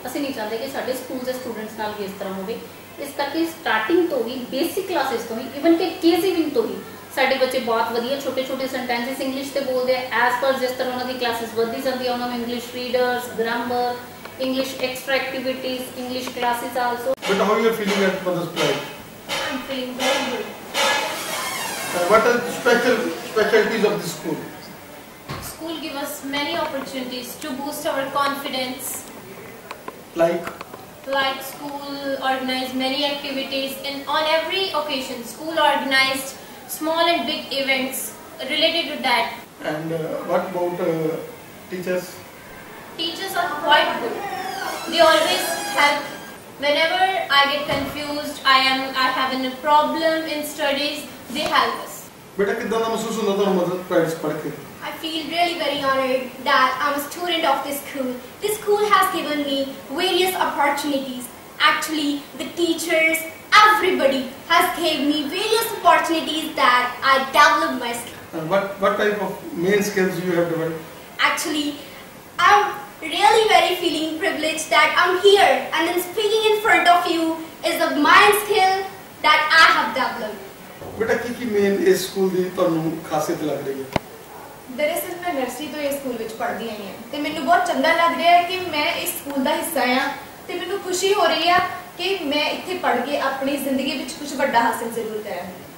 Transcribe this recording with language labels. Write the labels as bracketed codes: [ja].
[pa] ਅਸੀਂ ਨਹੀਂ ਚਾਹੁੰਦੇ ਕਿ ਸਾਡੇ ਸਕੂਲ ਦੇ ਸਟੂਡੈਂਟਸ ਨਾਲ ਵੀ ਇਸ ਤਰ੍ਹਾਂ ਹੋਵੇ। ਇਸ ਕਰਕੇ ਸਟਾਰਟਿੰਗ ਤੋਂ ਹੀ, ਬੇਸਿਕ ਕਲਾਸਿਸ ਤੋਂ ਹੀ, ਈਵਨ ਕਿ ਕੇਜੀਵਿੰਗ ਤੋਂ ਹੀ ਸਾਡੇ ਬੱਚੇ ਬਹੁਤ ਵਧੀਆ ਛੋਟੇ ਛੋਟੇ ਸੈਂਟੈਂਸਿਸ ਇੰਗਲਿਸ਼ 'ਤੇ ਬੋਲਦੇ ਆ। ਐਜ ਪਰ ਜਿਸ ਤਰ੍ਹਾਂ ਉਹਨਾਂ ਦੀ ਕਲਾਸਿਸ ਵਧਦੀ ਜਾਂਦੀ ਆ, ਉਹਨਾਂ ਨੂੰ English readers, grammar, English extra activities, English classes also. [en] But how you are feeling at mother's pride? I am feeling very good. What are special specialities of this school? school give us many opportunities to boost our confidence. Like school organized many activities and on every occasion school organized small and big events related to that. And what about teachers? Teachers are quite good. They always help. Whenever I get confused, I have a problem in studies, they help us. बेटा किधर ना महसूस होना था मदद prides पढ़ के। I feel really very honored that I'm a student of this school. This school has given me various opportunities. Actually, the teachers, everybody has gave me various opportunities that I develop my skills. What type of main skills you have developed? Actually, I'm really very feeling privileged that I'm here and then speaking in front of you is a main skill that I have developed. [pa] ਬੇਟਾ ਕੀ ਕੀ main ਇਸ school ਦੀ ਤੁਹਾਨੂੰ ਖਾਸੀਅਤ ਲੱਗ ਰਹੀ ਹੈ? ਦਰਅਸਲ ਮੈਂ nursery ਤੋਂ ਇਸ ਸਕੂਲ ਵਿੱਚ ਪੜ੍ਹਦੀ ਆਈ ਹਾਂ ਅਤੇ ਮੈਨੂੰ ਬਹੁਤ ਚੰਗਾ ਲੱਗ ਰਿਹਾ ਹੈ ਕਿ ਮੈਂ ਇਸ ਸਕੂਲ ਦਾ ਹਿੱਸਾ ਹਾਂ ਅਤੇ ਮੈਨੂੰ ਖੁਸ਼ੀ ਹੋ ਰਹੀ ਆ ਕਿ ਮੈਂ ਇੱਥੇ ਪੜ੍ਹ ਕੇ ਆਪਣੀ ਜ਼ਿੰਦਗੀ ਵਿੱਚ ਕੁਝ ਵੱਡਾ ਹਾਸਿਲ ਜ਼ਰੂਰ ਕਰਿਆ ਹੈ।